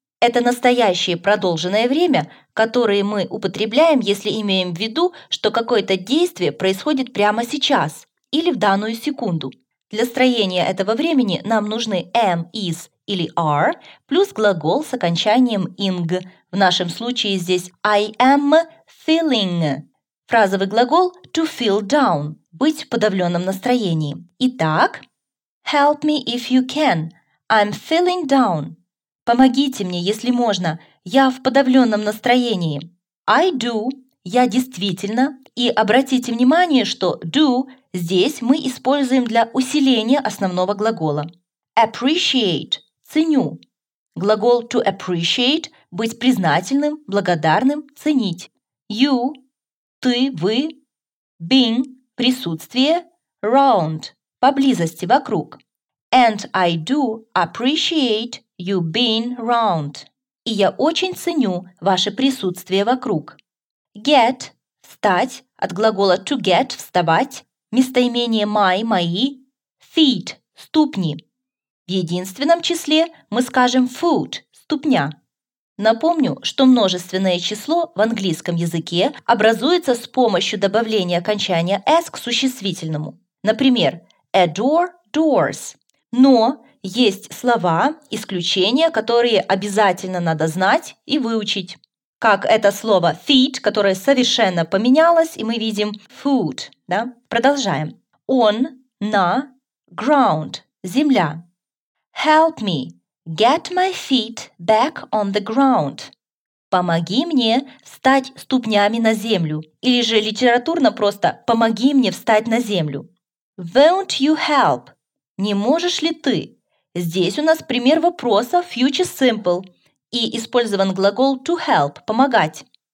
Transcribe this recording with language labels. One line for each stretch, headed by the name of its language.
Russian: Это настоящее продолженное время, которое мы употребляем, если имеем в виду, что какое-то действие происходит прямо сейчас или в данную секунду. Для строения этого времени нам нужны am, is или are плюс глагол с окончанием ing. В нашем случае здесь I am feeling. Фразовый глагол to feel down – быть в подавленном настроении. Итак,
English: help me if you can. I'm feeling down.
Russian: Помогите мне, если можно. Я в подавленном настроении.
English: I do
Russian: – я действительно. И обратите внимание, что do здесь мы используем для усиления основного глагола.
English: Appreciate
Russian: – ценю. Глагол to appreciate – быть признательным, благодарным, ценить.
English: You
Russian: – ты, вы.
English: Being
Russian: – присутствие.
English: Round
Russian: – поблизости, вокруг.
English: And I do appreciate you being round.
Russian: И я очень ценю ваше присутствие вокруг.
English: Get
Russian: – встать, от глагола
English: to get
Russian: – вставать. Местоимение my – мои.
English: Feet
Russian: – ступни. В единственном числе мы скажем
English: foot
Russian: – ступня. Напомню, что множественное число в английском языке образуется с помощью добавления окончания s к существительному. Например, adore – doors. Но есть слова, исключения, которые обязательно надо знать и выучить. Как это слово feed, которое совершенно поменялось, и мы видим food. Да? Продолжаем.
English: On –
Russian: на,
English: ground –
Russian: земля.
English: Help me – get my feet back on the ground.
Russian: Помоги мне встать ступнями на землю. Или же литературно просто «помоги мне встать на землю».
English: Won't you help?
Russian: Не можешь ли ты? Здесь у нас пример вопроса future simple и использован глагол to help – помогать.